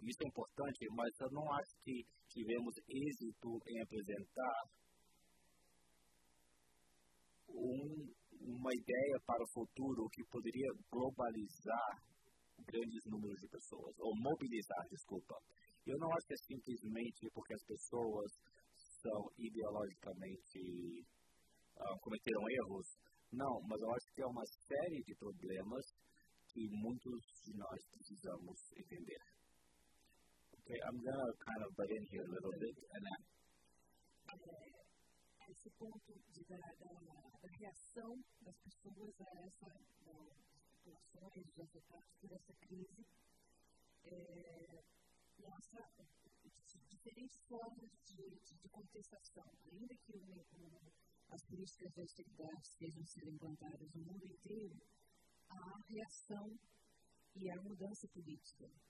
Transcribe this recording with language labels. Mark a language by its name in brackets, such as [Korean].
[Portuguese] Isso é importante, mas eu não acho que tivemos êxito em apresentar uma ideia para o futuro que poderia globalizar grandes números de pessoas, ou mobilizar, desculpa. Eu não acho que é simplesmente porque as pessoas são ideologicamente cometeram erros. Não, mas eu acho que é uma série de problemas que muitos de nós precisamos entender. [English] Ok, I'm going to kind of butt in here a little bit, and then... [Portuguese] Esse ponto da reação das pessoas a essas situações, dos afetados por essa crise, nossa, diferentes formas de contestação, ainda que as políticas de austeridade estejam sendo implantadas no mundo inteiro, a reação e a mudança política.